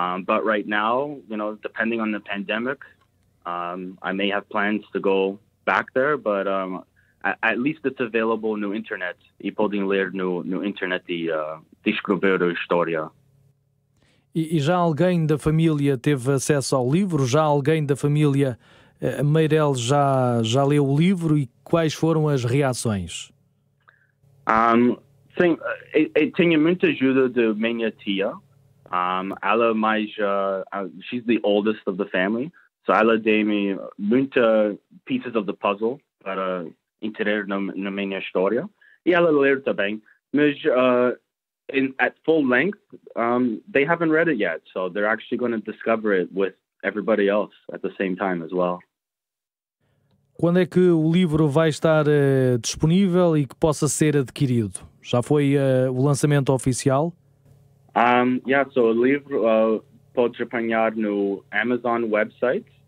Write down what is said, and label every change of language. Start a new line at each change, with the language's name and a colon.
English: But right now, you know, depending on the pandemic, I may have plans to go back there, but at least it's available no internet.
Portuguese: E podem ler no internet e descobrir a história. E já alguém da família teve acesso ao livro? Já alguém da família Meireles já leu o livro e quais foram as reações? Sim, eu tinha muita ajuda da minha tia. Ela é mais...
English: she's the oldest of the family.
Portuguese: So ela deu-me muitas
English: pieces of the puzzle
Portuguese: para entender na minha história. E ela leu também.
English: Mas at full length, they haven't read it yet. So they're actually going to discover it with everybody else at the same time as well.
Portuguese: Quando é que o livro vai estar disponível e que possa ser adquirido? Já foi o lançamento oficial? So o livro pode apanhar no Amazon website.